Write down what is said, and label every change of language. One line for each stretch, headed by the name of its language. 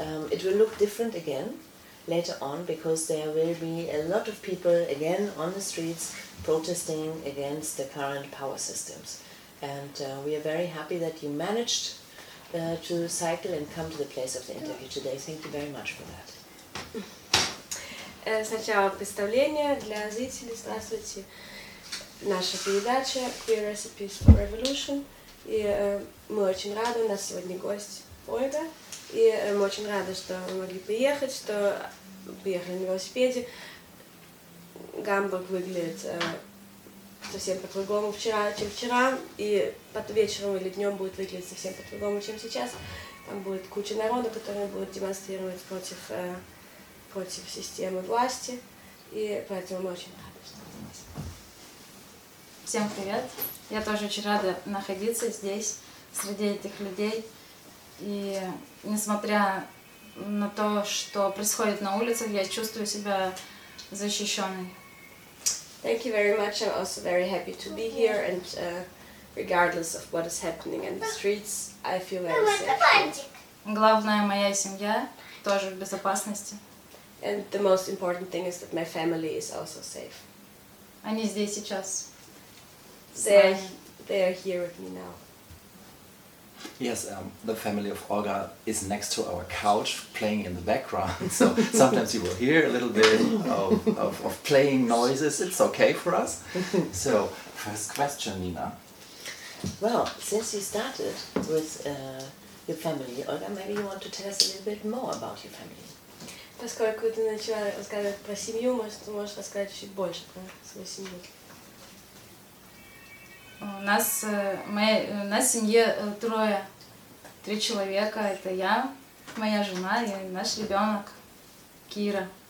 English: It will look different again later on, because there will be a lot of people again on the streets protesting against the current power systems. And we are very happy that you managed to cycle and come to the place of the interview today. Thank you very much for that.
Russian: Сначала представление для зрителей. Здравствуйте. Наша передача Queer Recipes for Revolution. И мы очень рады, у нас сегодня гость Ольга. И мы очень рады, что мы могли приехать, что приехали на велосипеде. Гамбург выглядит совсем по-другому вчера, чем вчера. И под вечером или днем будет выглядеть совсем по-другому, чем сейчас. Там будет куча народа, которые будут демонстрировать против, против системы власти. И поэтому мы очень рады, что мы здесь. Всем привет! Я тоже очень рада находиться здесь, среди этих людей. И несмотря на то, что происходит на улицах, я чувствую себя защищенной.
English: Thank you very much. I'm also very happy to be here. And regardless of what is happening in the streets, I feel very safe.
Russian: Главное, моя семья тоже в безопасности.
English: And the most important thing is that my family is also safe.
Russian: Они здесь сейчас.
English: They are here with me now. Yes, the family of Olga is next to our couch, playing in the background. So sometimes you will hear a little bit of playing noises. It's okay for us. So, first question, Nina. Well, since you started with your family, Olga, maybe you want to tell us a little bit more about your family.
Russian: Поскольку ты начала рассказывать про семью, может, ты можешь рассказать чуть больше про свою семью. У нас в семье трое. Три человека. Это я, моя жена и наш ребенок Кира.